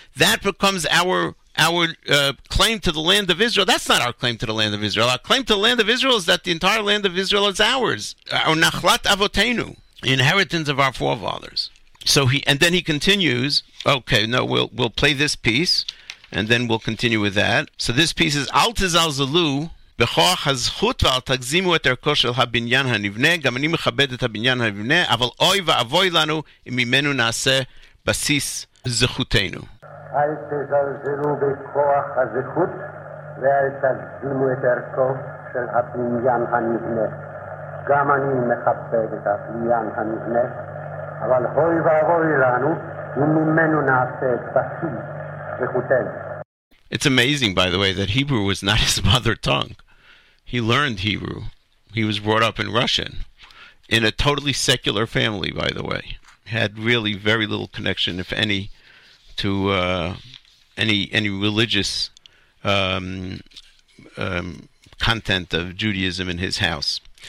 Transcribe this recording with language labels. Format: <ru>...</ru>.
<en>That becomes our claim to the land of Israel. That's not our claim to the land of Israel. Our claim to the land of Israel is that the entire land of Israel is ours. Our nachlat avotenu, inheritance of our forefathers. So he, and then he continues, okay, no, we'll play this piece, and then we'll continue with that. So this piece is Al Tizal Zalu,</en> <he>בחור חזכות ועל תגזימו את ערכו של הבניין הנבנה, גם אני מכבד את הבניין הנבנה, אבל אוי ואבוי לנו אם ממנו נעשה בסיס זכותנו. אל תזלזלו בכוח הזכות ואל תגזימו את ערכו של הבניין הנבנה. גם אני מכבד את הבניין הנבנה, אבל אוי ואבוי לנו אם ממנו נעשה בסיס זכותנו.</he> <en>It's amazing, by the way, that Hebrew was not his mother tongue. He learned Hebrew. He was brought up in Russian, in a totally secular family, by the way. Had really very little connection, if any, to any religious content of Judaism in his house.</en>